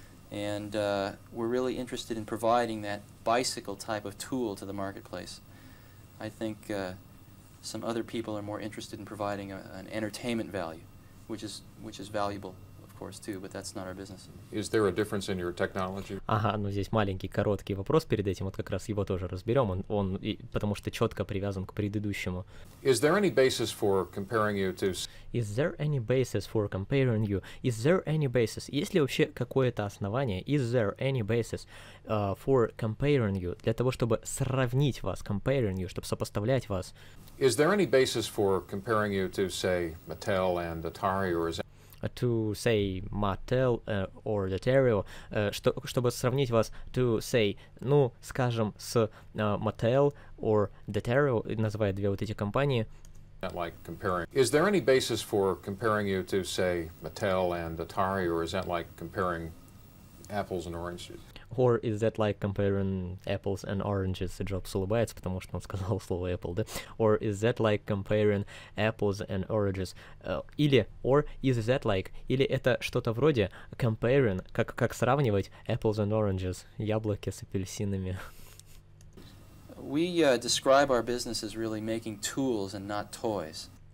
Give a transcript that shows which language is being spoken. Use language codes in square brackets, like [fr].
[en] And we're really interested in providing that bicycle type of tool to the marketplace. I think some other people are more interested in providing an entertainment value, which is valuable, of course, too, but that's not our business. Is there a difference in your technology? [ru] Ага, ну здесь маленький короткий вопрос перед этим, вот как раз его тоже разберем, потому что четко привязан к предыдущему. [en] Is there any basis for comparing you to... Is there any basis for comparing you? Is there any basis? [ru] Есть ли вообще какое-то основание? [en] Is there any basis for comparing you? [ru] Для того, чтобы сравнить вас, [en] comparing you, [ru] чтобы сопоставлять вас. [en] Is there any basis for comparing you to, say, Mattel and Atari, or is that... To, say, [ru] Mattel or Atari, чтобы сравнить вас, [en] to, say, [ru] ну, скажем, с Mattel or Atari, называя две вот эти компании. [en] Like comparing. Is there any basis for comparing you to, say, Mattel and Atari, or is that like comparing apples and oranges? Or is that like comparing apples and oranges? [ru] Джобс улыбается, потому что он сказал слово apple, да? [en] Or is that like comparing apples and oranges? [ru] Или, [en] or is that like, [ru] или это что-то вроде [en] comparing, [ru] как сравнивать [en] apples and oranges, [ru] яблоки с апельсинами. [en] We describe our business as really making tools and not toys.